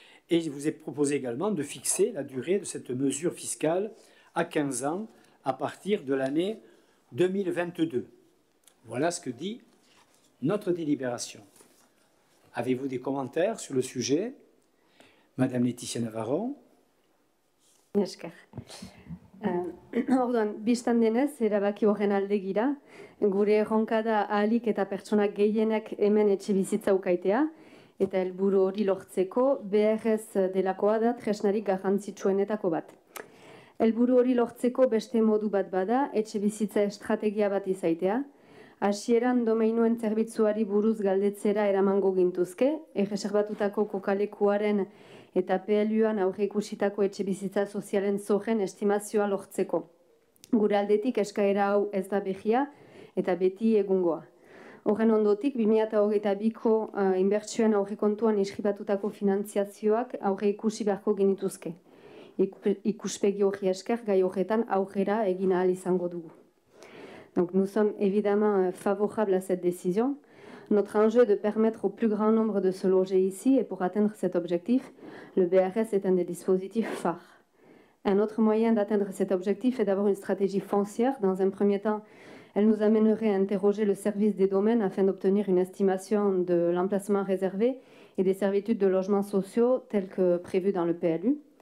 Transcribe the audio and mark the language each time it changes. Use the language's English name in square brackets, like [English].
[French] Et il vous est proposé également de fixer la durée de cette mesure fiscale à 15 ans à partir de l'année 2022. Voilà ce que dit notre délibération. Avez-vous des commentaires sur le sujet, Madame Laetitia Navarro? [Basque] Esker. Ordoan, bistan denez, erabaki horren aldegira, gure erronka da ahalik eta pertsonak gehienak hemen etxe bizitza ukaitea, eta helburu hori lortzeko BRS delakoa da tresnarik garrantzitsuenetako bat. Helburu hori lortzeko beste modu bat bada etxe bizitza estrategia bat izaitea, hasieran domeinuen zerbitzuari buruz galdetzera eramango gintuzke, erreserbatutako kokalekuaren eta PLU-an aurreikusitako etxe bizitza sozialen zorren estimazioa lortzeko. Gure aldetik eskaera hau ez da behia eta beti egungoa. Horren ondotik, 2022-ko inbertsioen aurrekontuan inskribatutako finantziazioak aurreikusi beharko genituzke. Ikuspegi horri esker gai horretan aurrera egin ahal izango dugu. [French] Donc nous sommes évidemment favorables à cette décision. Notre enjeu est de permettre au plus grand nombre de se loger ici et pour atteindre cet objectif, le BRS est un des dispositifs phares. Un autre moyen d'atteindre cet objectif est d'avoir une stratégie foncière. Dans un premier temps, elle nous amènerait à interroger le service des domaines afin d'obtenir une estimation de l'emplacement réservé et des servitudes de logements sociaux telles que prévues dans le PLU.